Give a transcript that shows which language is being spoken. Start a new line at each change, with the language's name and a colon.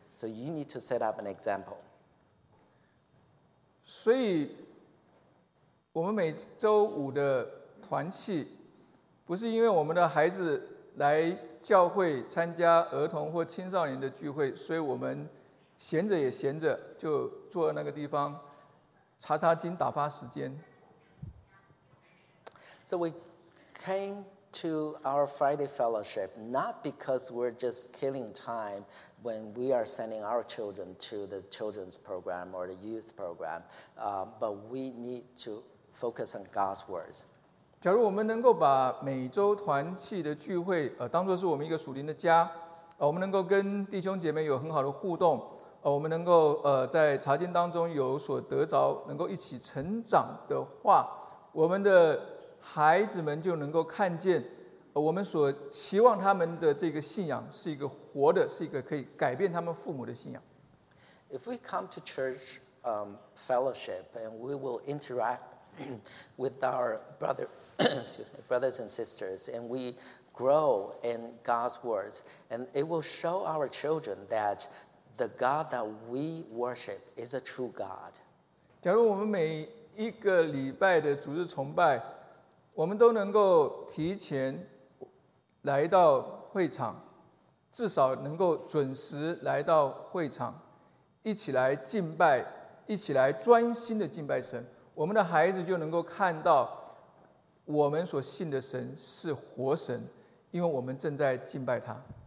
English: So you need to set up an example.
Chinese: 所以我们每周五的团契，不是因为我们的孩子来教会参加儿童或青少年的聚会，所以我们闲着也闲着，就坐在那个地方查查经打发时间。
English: So we came to our Friday fellowship not because we're just killing time when we are sending our children to the children's program or the youth program, but we need to focus on God's words.
Chinese: 假如我们能够把每周团契的聚会当作是我们一个属灵的家，我们能够跟弟兄姐妹有很好的互动。我们能够在查经当中有所得着，能够一起成长的话，我们的孩子们就能够看见我们所期望他们的这个信仰是一个活的，是一个可以改变他们父母的信仰。
English: If we come to church fellowship and we will interact with our brothers and sisters and we grow in God's words and it will show our children that the God that we worship is a true God.
Chinese: 假如我们每一个礼拜的主日崇拜，我们都能够提前来到会场，至少能够准时来到会场，一起来敬拜，一起来专心的敬拜神，我们的孩子就能够看到我们所信的神是活神，因为我们正在敬拜他。